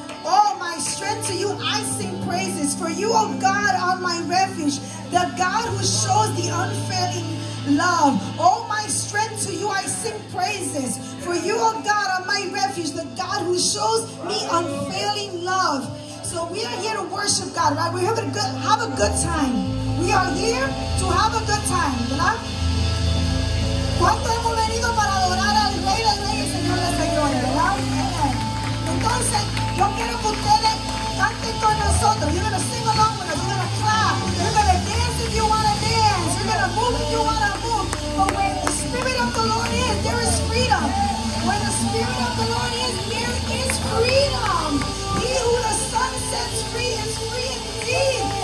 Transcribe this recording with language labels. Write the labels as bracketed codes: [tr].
[en] Oh, my strength to you, I sing praises. For you, oh God, are my refuge, the God who shows the unfailing love. Oh, my strength to you, I sing praises. For you, oh God, are my refuge, the God who shows me unfailing love. So we are here to worship God, right? We're here to have a good time. We are here to have a good time, [es] ¿verdad? ¿Cuánto hemos venido para adorar al Rey de Reyes, Señor de Señores, verdad? Entonces, yo quiero que ustedes canten con nosotros. [en] You're going to sing along with us. You're going to clap. You're going to dance if you want to dance. You're going to move if you want to move. But where the Spirit of the Lord is, there is freedom. Where the Spirit of the Lord is, there is freedom. He who the Son sets free is free indeed.